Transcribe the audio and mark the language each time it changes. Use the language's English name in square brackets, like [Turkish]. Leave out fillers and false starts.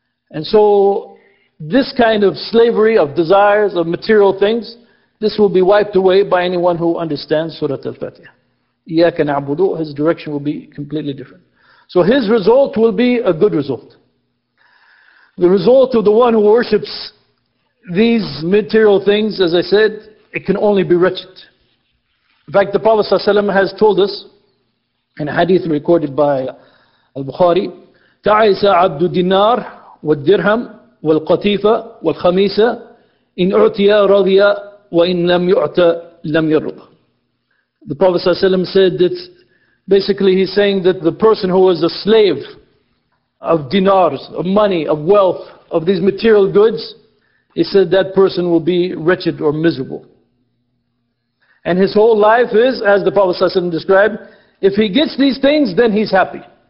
[English] And so this kind of slavery of desires, of material things, this will be wiped away by anyone who understands Surah Al-Fatiha. [Arabic] إِيَّاكَ نَعْبُدُ. [English] His direction will be completely different. So his result will be a good result. The result of the one who worships these material things, as I said, it can only be wretched. In fact, the Prophet ﷺ has told us, in a hadith recorded by Al-Bukhari, [Arabic] تَعَيْسَ عَبْدُ الدِّنَارِ وَالدِّرْهَمِ وَالْقَطِيفَةِ وَالْخَمِيسَةِ إِنْ أُعْتِيَ رَضِيَ وَإِنْ لَمْ يُعْتَ لَمْ يَرْضَ. [English] The Prophet ﷺ said that, basically he's saying that the person who was a slave of dinars, of money, of wealth, of these material goods, he said that person will be wretched or miserable. And his whole life is, as the Prophet ﷺ described, if he gets these things, then he's happy.